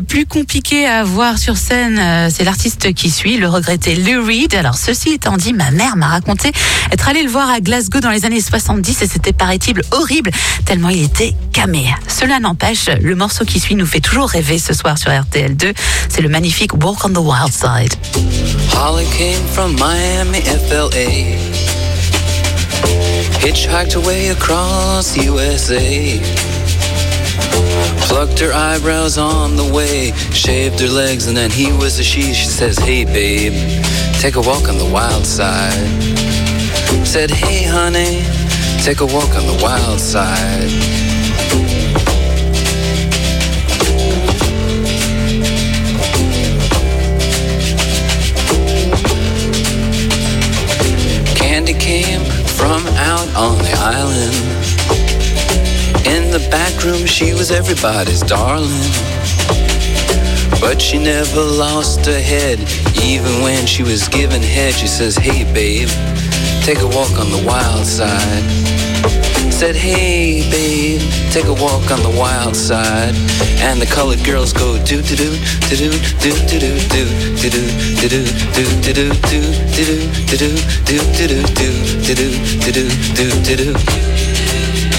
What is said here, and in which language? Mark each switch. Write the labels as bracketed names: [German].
[French] Plus compliqué à voir sur scène, c'est l'artiste qui suit, le regretté Lou Reed. Alors ceci étant dit, ma mère m'a raconté être allée le voir à Glasgow dans les années 70 et c'était paraît-il horrible tellement il était camé. Cela n'empêche, le morceau qui suit nous fait toujours rêver ce soir sur RTL2, c'est le magnifique Walk on the Wild Side. [English] Holly came from Miami, FLA. Hitchhiked away across USA. Plucked her eyebrows on the way. Shaved her legs and then he was a she. She says, hey babe, take a walk on the wild side. Said, hey honey, take a walk on the wild side. Candy came from out on the island. In the back room she was everybody's darling. But she never lost her head. Even when she was given head, she says, hey babe, take a walk on the wild side. Said, hey babe, take a walk on the wild side. And the colored girls go do do do do do do do do do do do do do do do do do do do do do do do do do do do do do do do do.